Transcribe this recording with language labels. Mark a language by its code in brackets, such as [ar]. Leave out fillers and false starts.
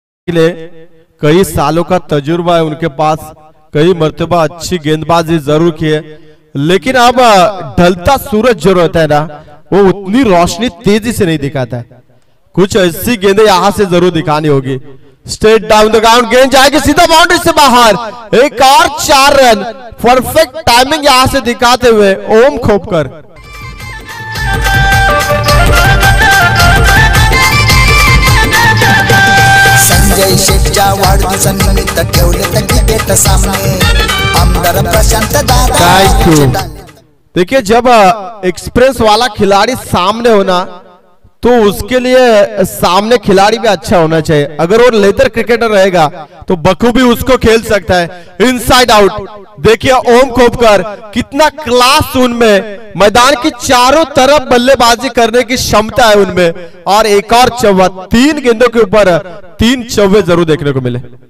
[hi] कई सालों का तजुर्बा है उनके पास, कई मर्तबा अच्छी गेंदबाजी जरूर की है, लेकिन अब ढलता सूरज जो रहता है ना वो उतनी रोशनी तेजी से नहीं दिखाता है, कुछ ऐसी गेंदें यहां से जरूर दिखानी होगी। [en] straight down the ground [hi] गेंद जाएगी सीधा बाउंड्री से बाहर, एक और 4 रन, परफेक्ट टाइमिंग यहां से दिखाते हुए ओम खोपकर। [mr] संजय शेटचा वाढदिवसा निमित्त ठेवले त क्रिकेट सामने आमदार प्रशांत दादा। [hi] देखिए जब एक्सप्रेस वाला खिलाड़ी सामने होना तो उसके लिए सामने खिलाड़ी भी अच्छा होना चाहिए, अगर वो लेदर क्रिकेटर रहेगा तो बखूबी उसको खेल सकता है। इनसाइड आउट, देखिए ओम खोपकर कितना क्लास उनमें, मैदान की चारों तरफ बल्लेबाजी करने की क्षमता है उनमें, और एक और चौवा, 3 गेंदों के ऊपर 3 चौवे जरूर देखने को मिले।